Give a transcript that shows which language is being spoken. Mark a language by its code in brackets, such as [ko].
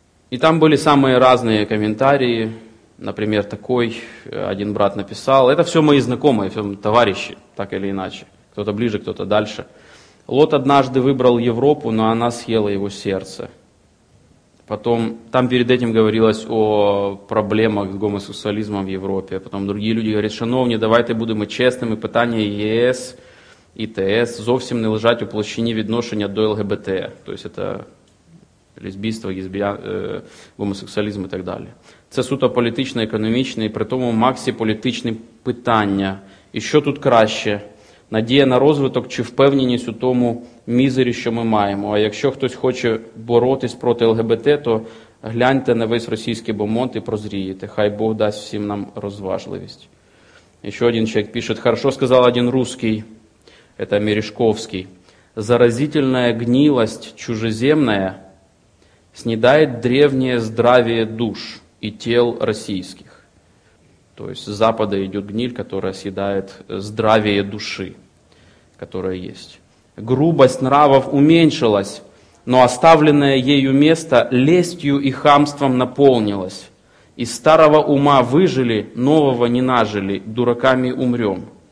[ru] И там были самые разные комментарии, например, такой один брат написал, это все мои знакомые, все товарищи, так или иначе, кто-то ближе, кто-то дальше. Лот однажды выбрал Европу, но она съела его сердце. Потом, там перед этим говорилось о проблемах с гомосексуализмом в Европе. Потом другие люди говорят, [uk] шановні, давайте будемо честними, питання ЄС, ІТС, зовсім не лежать у площині відношення до ЛГБТ. [ru] То есть это лесбійство, гомосексуализм и так далее. [uk] Це суто політичне, економічне, при тому максі політичне питання. І що тут краще? Надія на розвиток чи впевненість у тому мізері, що ми маємо. А якщо хтось хоче боротись проти ЛГБТ, то гляньте на весь російський бомонд і прозрієте. Хай Бог дасть всім нам розважливість. Ще один чоловік пише, [ru] хорошо [uk] сказав [ru] один русский, [uk] це Мережковський, [ru] заразительная гнилость чужеземная [uk] снідает [ru] древнее здравие душ и тел [uk] російських. [ru] То есть с запада идет гниль, которая съедает здравие души, которая есть. Грубость нравов уменьшилась, но оставленное ею место лестью и хамством наполнилось. Из старого ума выжили, нового не нажили, дураками умрем.